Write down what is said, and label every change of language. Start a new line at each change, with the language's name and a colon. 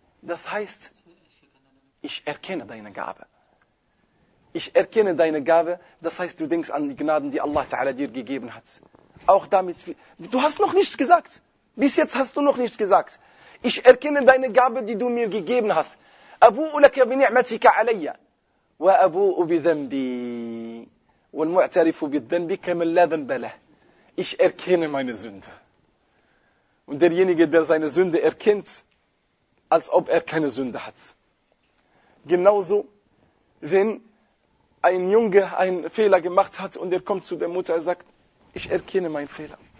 German: Das heißt, ich erkenne deine Gabe. Ich erkenne deine Gabe. Das heißt, du denkst an die Gnaden, die Allah Ta'ala dir gegeben hat. Auch damit, du hast noch nichts gesagt. Bis jetzt hast du noch nichts gesagt. Ich erkenne deine Gabe, die du mir gegeben hast.
Arabic: أبوء لك بنعمتك علي. وأبوء بذنبي والمعترف بالذنب كمن لا ذنب له.
German: Ich erkenne meine Sünde. Und derjenige, der seine Sünde erkennt, als ob er keine Sünde hat. Genauso, wenn ein Junge einen Fehler gemacht hat und er kommt zu der Mutter und sagt, ich erkenne meinen Fehler.